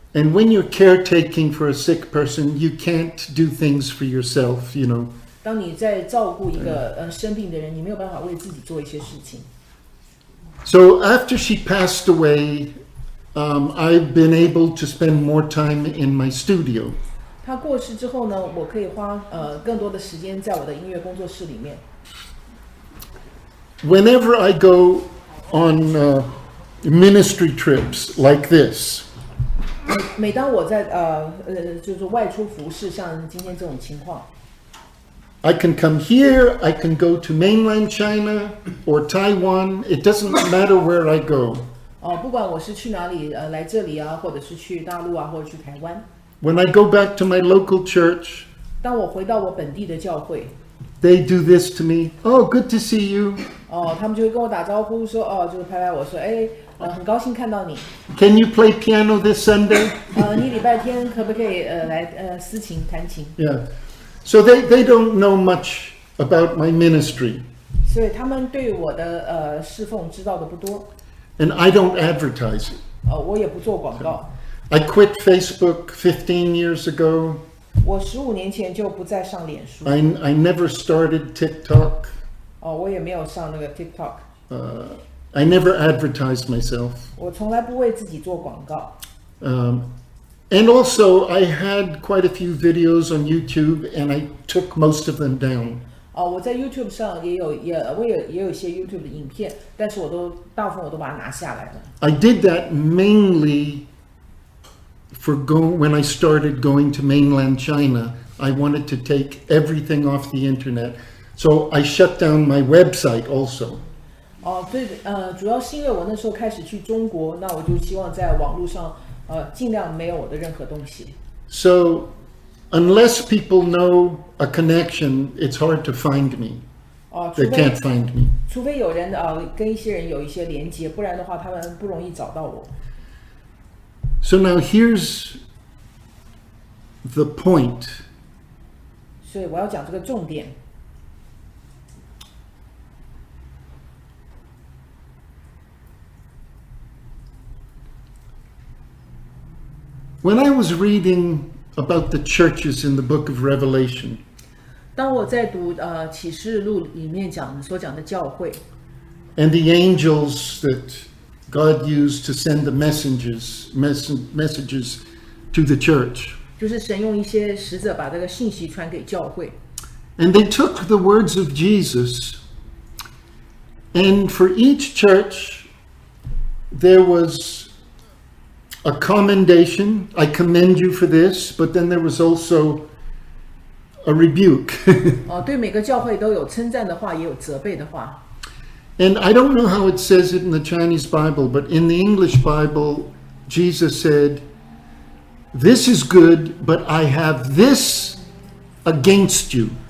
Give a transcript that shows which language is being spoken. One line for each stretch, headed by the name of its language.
English: And when you're caretaking for a sick person, you can't do things for yourself, you know.
Chinese: 当你在照顾一个生病的人，你没有办法为自己做一些事情。
English: So after she passed away, I've been able to spend more time in my studio.
Chinese: 她过世之后呢，我可以花更多的时间在我的音乐工作室里面。
English: Whenever I go on ministry trips like this,
Chinese: 每当我在就是外出服事，像今天这种情况
English: ，I can come here, I can go to mainland China or Taiwan. It doesn't matter where I go.
Chinese: 不管我是去哪里，来这里啊，或者是去大陆啊，或者去台湾。
English: When I go back to my local church,
Chinese: 当我回到我本地的教会
English: ，They do this to me. Oh, good to see you.
Chinese: 他们就会跟我打招呼，说就拍拍我说，哎。很高兴看到你。
English: Can you play piano this Sunday?
Chinese: 你礼拜天可不可以来私琴弹琴
English: ？Yeah. So they don't know much about my ministry.
Chinese: 所以他们对我的侍奉知道的不多。
English: And I don't advertise it.
Chinese: 我也不做广告。
English: I quit Facebook 15 years ago.
Chinese: 我15年前就不再上脸书。
English: I never started TikTok.
Chinese: 我也没有上那个 TikTok.
English: I never advertised myself.
Chinese: 我从来不为自己做广告。
English: And also, I had quite a few videos on YouTube, and I took most of them down.
Chinese: 我在 YouTube 上也有也有一些 YouTube 的影片，但是大部分我都把它拿下来了。
English: I did that mainly. When I started going to mainland China, I wanted to take everything off the internet. So I shut down my website also.
Chinese: 对，主要是因为我那时候开始去中国，那我就希望在网络上，尽量没有我的任何东西。
English: So unless people know a connection, it's hard to find me. They can't find me.
Chinese: 除非有人，跟一些人有一些连接，不然的话他们不容易找到我。
English: So now here's the point.
Chinese: 所以我要讲这个重点。
English: When I was reading about the churches in the book of Revelation,
Chinese: 当我在读启示录里面所讲的教会
English: ，and the angels that. God used to send the messages to the church.
Chinese: 就是神用一些使者把这个信息传给教会。
English: And they took the words of Jesus, and for each church, there was a commendation. I commend you for this, but then there was also a rebuke.
Chinese: 对每个教会都有称赞的话，也有责备的话。
English: And I don't know how it says it in the Chinese Bible, but in the English Bible, Jesus said, "This is good, but I have this against you."